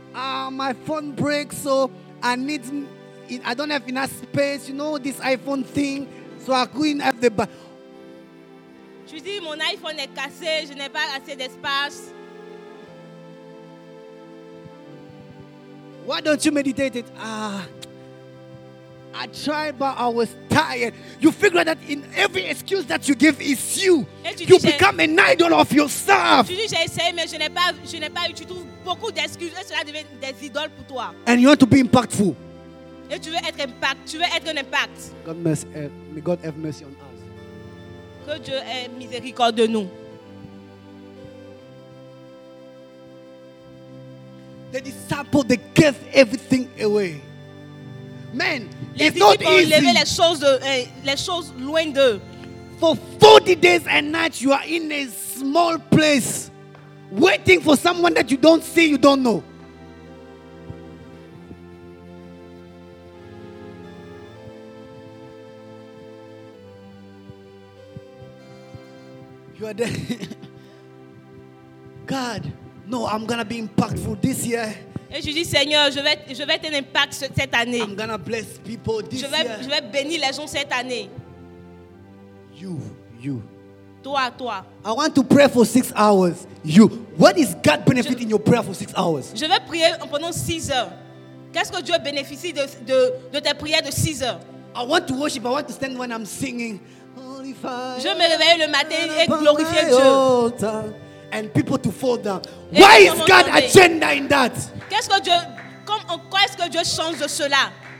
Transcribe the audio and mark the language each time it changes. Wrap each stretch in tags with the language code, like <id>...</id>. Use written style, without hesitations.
<en>My phone breaks, so I don't have enough space. You know this iPhone thing, so I couldn't have the Bible.</en> <fr>Tu dis mon iPhone est cassé, je n'ai pas assez d'espace.</fr> <en>Why don't you meditate it? I tried, but I was tired. You figure that in every excuse that you give is you. You become an idol of yourself.</en> <fr>Tu dis j'ai essayé, mais je n'ai pas eu. Tu trouves beaucoup d'excuses et cela devient des idoles pour toi.</fr> <en>And you want to be impactful.</en> <fr>Et tu veux être impact. Tu veux être un impact.</fr> <en>May God have mercy on us.</en> <fr>Que Dieu ait miséricorde de nous.</fr> <en>The disciples, they gave everything away. Man,</en> <fr>les</fr> <en>it's not easy.</en> <fr>Les choses loin d'eux.</fr> <en>For 40 days and nights, you are in a small place waiting for someone that you don't see, you don't know. You are there. God, no, I'm going to be impactful this year.</en> <fr>Et je dis, Seigneur, je vais être un impact cette année.</fr> <en>I'm gonna bless people this year.</en> <fr>Je vais bénir les gens cette année.</fr> <en>You.</en> <fr>Toi.</fr> <en>I want to pray for 6 hours. You. What is God benefiting in your prayer for 6 hours?</en> <fr>Je vais prier pendant 6 heures. Qu'est-ce que Dieu bénéficie de tes prières de 6 heures?</fr> <en>I want to worship. I want to stand when I'm singing.</en> <fr>Je me réveille le matin et glorifier Dieu.</fr> <en>And people to fall down. Why is God's agenda in that?</en> <fr>Qu'est-ce que Dieu, en quoi est-ce que Dieu change de cela?</fr>